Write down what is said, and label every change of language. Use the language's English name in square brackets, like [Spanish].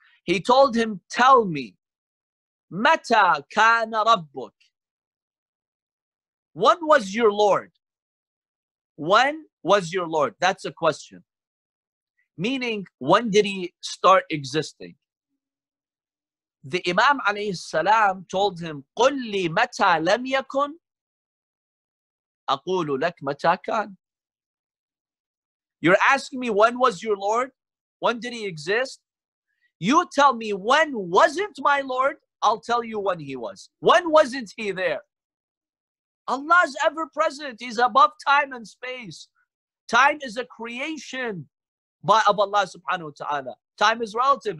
[English] He told him, tell me, Mata kana rabbuk? When was your Lord? When was your Lord? That's a question. Meaning, when did he start existing? [Arabic] The Imam alayhi salam told him, قُلْ لِي مَتَى لَمْ يَكُنْ أَقُولُ لَكْ مَتَى كَانْ. [English] You're asking me, when was your Lord? When did he exist? You tell me, when wasn't my Lord? I'll tell you when he was. When wasn't he there? Allah is ever present. He's above time and space. Time is a creation of Allah subhanahu wa ta'ala. Time is relative.